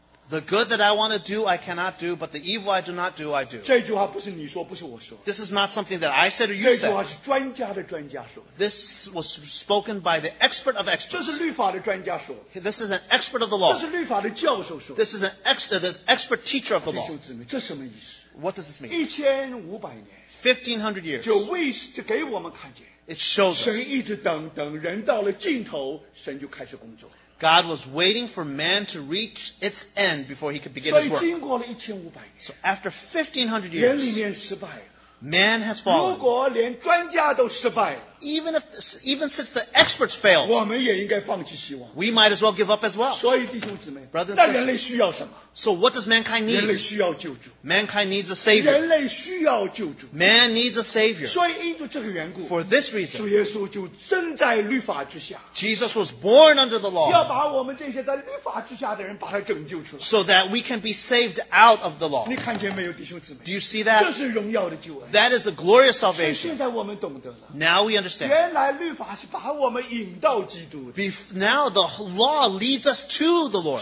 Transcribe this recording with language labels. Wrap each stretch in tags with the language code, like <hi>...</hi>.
<en>The good that I want to do, I cannot do, but the evil I do not do, I do.</en> <zh>这句话不是你说,</zh> <en>this is not something that I said or you</en> <zh>这句话是专家的专家说的。</zh> <en>said. This was spoken by the expert of experts.</en> <zh>这是律法的专家说,</zh> <en>this is an expert of the law.</en> <zh>这是律法的教授说,</zh> <en>this is the expert teacher of the law.</en> <zh>弟兄姊妹, 这什么意思?</zh> <en>What does this mean?</en> <zh>1500年,</zh> <en>1500 years.</en> <zh>就为,就给我们看见,</zh> <en>it shows us.</en> <zh>神一直等, 人到了尽头,</zh> <en>God was waiting for man to reach its end before he could begin his work. So after 1500 years,</en> <zh>人里面失败了,</zh> <en>man has fallen.</en> <zh>如果连专家都失败了,</zh> <en>even since the experts failed,</en> <zh>我们也应该放弃希望,</zh> <en>we might as well give up as well.</en> <zh>所以弟兄姊妹,</zh> <en>brothers and sisters,</en> <zh>但人类需要什么?</zh> <en>So what does mankind need?</en> <zh>人类需要救助,</zh> <en>mankind needs a savior.</en> <zh>人类需要救助,</zh> <en>man needs a savior.</en> <zh>所以因着这个缘故,</zh> <en>for this reason,</en> <zh>主耶稣就生在律法之下,</zh> <en>Jesus was born under the law,</en> <zh>要把我们这些在律法之下的人把他拯救出来,</zh> <en>so that we can be saved out of the law.</en> <zh>你看见没有, 弟兄姊妹,</zh> <en>do you see that?</en> <zh>这是荣耀的救恩,</zh> <en>that is the glorious salvation.</en> <zh>现在我们懂得了,</zh> <en>now we understand.</en> <zh>原来律法是把我们引到基督的,</zh> <en>now the law leads us to the Lord.</en>